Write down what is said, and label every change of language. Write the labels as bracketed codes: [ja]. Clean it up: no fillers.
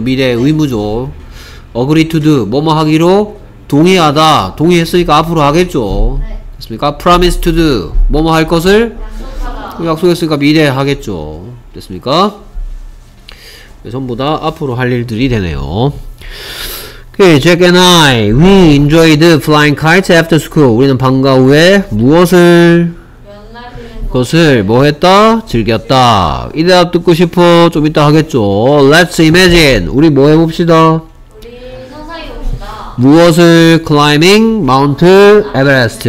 [ko] 미래의 의무죠. [en] agree to do [ko] 뭐뭐 하기로 동의하다. 동의했으니까 앞으로 하겠죠. 됐습니까? [en] promise to do [ko] 뭐뭐 할 것을 약속하다. 약속했으니까 미래에 하겠죠. 됐습니까? 전부 다 앞으로 할 일들이 되네요. [en] Okay, Jack and I, we enjoyed flying kites after school. [ko] 우리는 방과 후에 무엇을? 그것을 뭐 했다? 즐겼다. 이 대답 듣고 싶어? 좀 이따 하겠죠. [en] Let's imagine. [ko] 우리 뭐 해봅시다? 우리 서사히 봅시다. 무엇을? [en] Climbing Mount Everest.